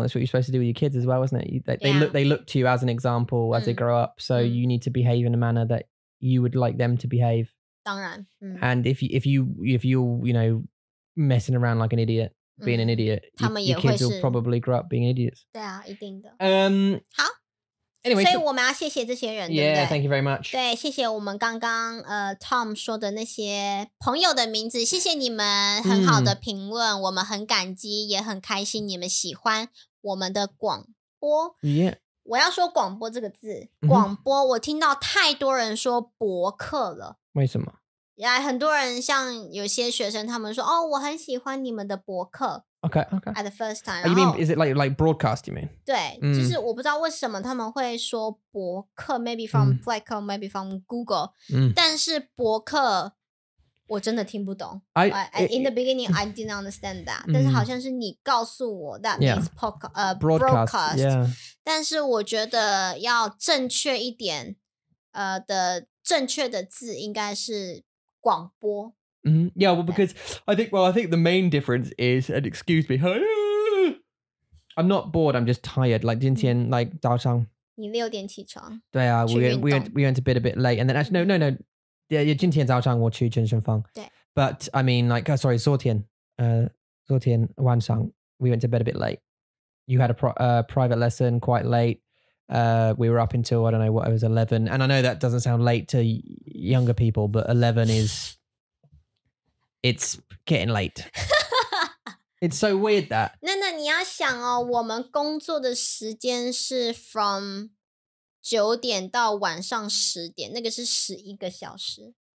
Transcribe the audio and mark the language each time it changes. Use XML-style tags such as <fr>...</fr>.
<en>That's what you're supposed to do with your kids as well, isn't it? They look to you as an example as they grow up. So you need to behave in a manner that you would like them to behave.</en> <zh>当然,</zh> <en>and if you're messing around like an idiot, being an idiot, your kids will probably grow up being idiots.</en> <zh>对啊, 好。</zh> <en>Anyway,</en> <zh>所以我们要谢谢这些人,</zh> <en>yeah, Thank you very much.</en> <zh>对,谢谢我们刚刚 Tom 说的那些朋友的名字, 谢谢你们很好的评论, 我们很感激, 也很开心你们喜欢 我们的广播。</zh> <en>Yeah.</en> <zh>我要说广播这个字, 广播, 我听到太多人说博客了。为什么?</zh> <en>Yeah,</en> <zh>很多人像有些学生, 他们说, 哦, 我很喜欢你们的博客。</zh> <en>Okay, okay. At the first time. Oh, you mean, is it like broadcast, you mean?</en> <zh>对, 就是我不知道为什么他们会说博客,</zh> <en>maybe from Flycom, maybe from Google.</en> <zh>但是博客, 我真的听不懂.</zh> <en>In the beginning, I didn't understand that.</en> <zh>但是好像是你告诉我,</zh> <en>that means broadcast. Yeah.</en> <zh>但是我觉得要正确一点, 正确的字应该是广播。 Mm-hmm.</zh> <en>Yeah, well, because I think the main difference is, and excuse me, I'm not bored, I'm just tired. Like,</en> <zh>今天,</zh> <en>like,</en> <zh>早上. 你六点起床. 对啊,</zh> <en>we went a bit, late. And then, actually, no. Yeah,</en> <zh>今天早上我去健身房. 对.</zh> <en>But, I mean, like, sorry,</en> <zh>昨天, 昨天晚上,</zh> <en>we went to bed a bit late. You had a private lesson quite late. We were up until, I don't know, what, it was 11. And I know that doesn't sound late to younger people, but 11 is... It's getting late. It's so weird that.</en> <zh>那你要想哦, 我们工作的时间是 from 9点到晚上10点, 那个是11个小时。</zh>